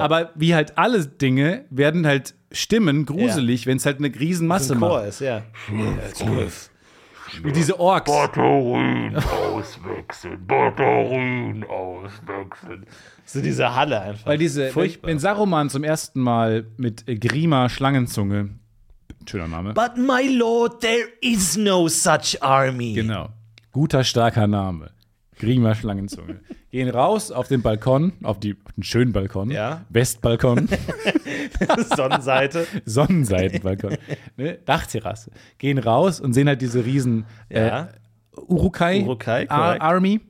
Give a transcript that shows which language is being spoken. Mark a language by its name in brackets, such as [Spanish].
[German] Aber wie halt alle Dinge werden halt Stimmen gruselig, wenn es halt eine Riesenmasse macht. Ist, ja. Schmerzgriff. Wie diese Orks. Batterien auswechseln. So diese Halle einfach. Weil diese, furchtbar. Wenn Saruman zum ersten Mal mit Grima Schlangenzunge, schöner Name. [English] But my lord, there is no such army. [German] Genau. Guter, starker Name. Grima Schlangenzunge. Gehen raus auf den Balkon, auf den schönen Balkon. Ja. Westbalkon. Sonnenseite. Sonnenseitenbalkon. Ne? Dachterrasse. Gehen raus und sehen halt diese riesen Urukai-Army.